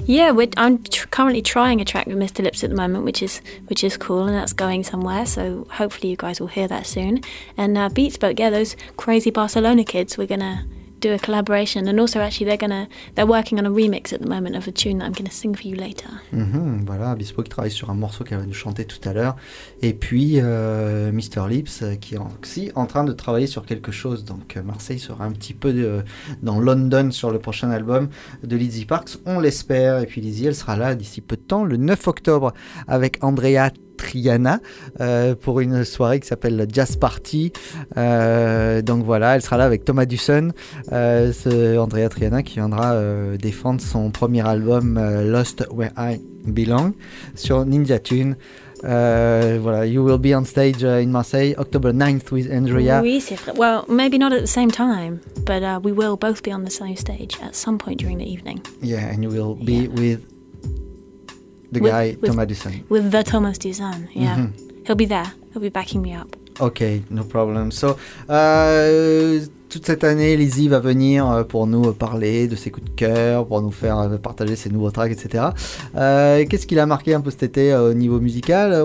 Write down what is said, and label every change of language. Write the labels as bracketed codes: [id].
[en] Yeah, I'm currently trying a track with Mr. Lips at the moment, which is cool, and that's going somewhere. So hopefully you guys will hear that soon. And Beatspoke, yeah, those crazy Barcelona kids, we're going to do a collaboration, and also actually they're working on a remix at the moment of a tune that I'm going to sing for you later. [fr] Voilà, Beatspoke travaille sur un morceau qu'elle va nous chanter tout à l'heure, et puis Mr. Lips qui est aussi en train de travailler sur quelque chose, donc Marseille sera un petit peu dans London sur le prochain album de Lizzie Parks, on l'espère. Et puis Lizzie, elle sera là d'ici peu de temps, le 9 octobre avec Andrea Triana, pour une soirée qui s'appelle la Jazz Party. Donc voilà, elle sera là avec Thomas Dusson, Andrea Triana, qui viendra défendre son premier album Lost Where I Belong sur Ninja Tune. [en] Voilà, you will be on stage in Marseille October 9th with Andrea. [fr] Oui, c'est vrai. [en] Well, maybe not at the same time, but we will both be on the same stage at some point during the evening. Yeah, and you will be with Thomas Dusan. With the Thomas Dusan, yeah. He'll be there. He'll be backing me up. Okay, no problem. [fr] So, toute cette année, Lizzie va venir pour nous parler de ses coups de cœur, pour nous faire partager ses nouveaux tracks, etc. Qu'est-ce qui l'a marqué un peu cet été au niveau musical?